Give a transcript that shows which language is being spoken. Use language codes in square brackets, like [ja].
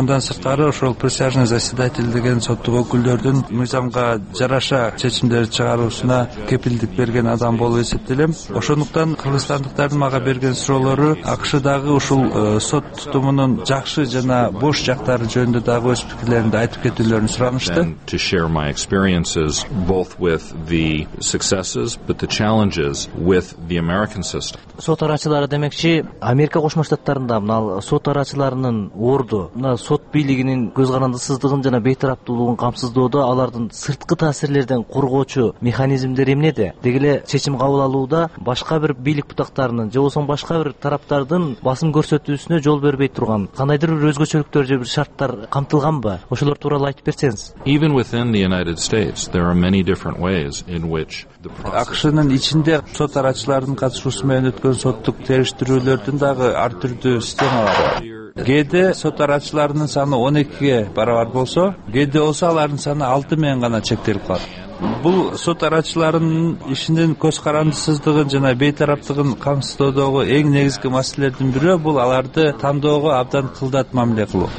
[ky] Андан сырткары ошол присяжный заседатель деген соттук өкүлдөрдүн мыйзамга жараша чечимдерди чыгаруусуна кепилдик берген адам болуп эсептелем. Ошондуктан кыргызстандыктардын мага берген суроолору АКШдагы ушул сот тутумунун жакшы жана бош жактары жөнүндө дагы өз пикирлерин айтып кетүүлөрүн суранышты. [en] To share my experiences both with the successes but the challenges with the American system. [ky] Сот арачылары демекчи, Америка Кошмо Штаттарында мына сот арачыларынын орду, мына сот бийлигинин көз карандысыздыгын жана бейтараптуулугун камсыздоодо алардын сырткы таасирлерден коргоочу механизмдер эмнеде? Деги эле чечим кабыл алууда башка бир бийлик бутактарынын же болбосо башка бир тараптардын басым көрсөтүүсүнө жол бербей турган кандайдыр бир өзгөчөлүктөр же бир шарттар камтылганбы? Ошолор тууралуу айтып берсеңиз. [en] Even within the United States there are many different ways in which the [ky] process анын ичинде сот арачыларынын катышуусу менен өткөн соттук териштирүүлөрдүн дагы ар түрдүү системалары бар. Кээде сот арачыларынын саны 12 барабар болсо, кээде болсо алардын саны 6 менен гана чектелип калат. Бул сот арачыларынын ишинин көз карандысыздыгын жана бейтараптыгын камсыздоодогу эң негизги маселелердин бири бул аларды тандоого абдан кылдат мамиле кылуу.